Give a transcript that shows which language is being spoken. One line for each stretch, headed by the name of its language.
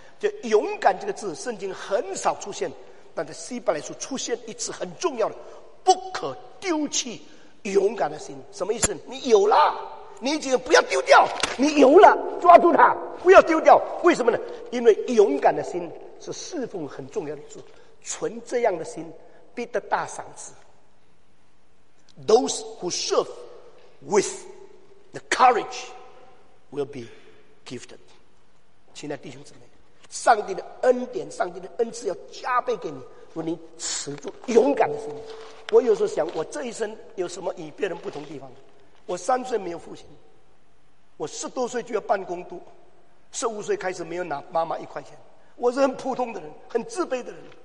Chinese: 就勇敢这个字圣经很少出现，但在希伯来书出现一次很重要的，不可丢弃勇敢的心。什么意思？你有了，你已经不要丢掉，你有了，抓住它，不要丢掉。为什么呢？因为勇敢的心是侍奉很重要的事，存这样的心必得大赏赐。
English: Those who serve with the courage will be gifted.
Chinese: 亲爱弟兄姊妹，上帝的恩典，上帝的恩赐要加倍给你，如你持住勇敢的心。我有时候想，我这一生有什么与别人不同地方？我三岁没有父亲，我十多岁就要办公读，十五岁开始没有拿妈妈一块钱，我是很普通的人，很自卑的人。